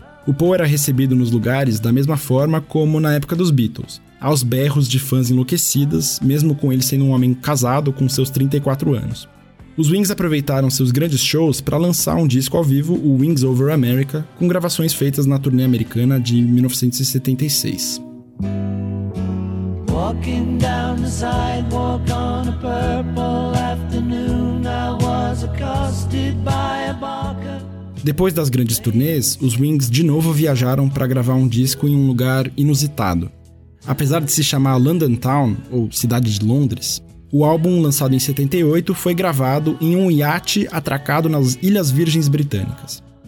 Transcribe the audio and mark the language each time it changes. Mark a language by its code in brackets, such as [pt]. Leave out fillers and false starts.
[pt] O Paul era recebido nos lugares da mesma forma como na época dos Beatles, aos berros de fãs enlouquecidas, mesmo com ele sendo um homem casado com seus 34 anos. Os Wings aproveitaram seus grandes shows para lançar um disco ao vivo, o Wings Over America, com gravações feitas na turnê americana de 1976. [en] Walking down the sidewalk on a purple afternoon, I was accosted by a barker. [pt] Depois das grandes turnês, os Wings de novo viajaram para gravar um disco em um lugar inusitado. Apesar de se chamar London Town, ou Cidade de Londres, o álbum, lançado em 78, foi gravado em um iate atracado nas Ilhas Virgens Britânicas.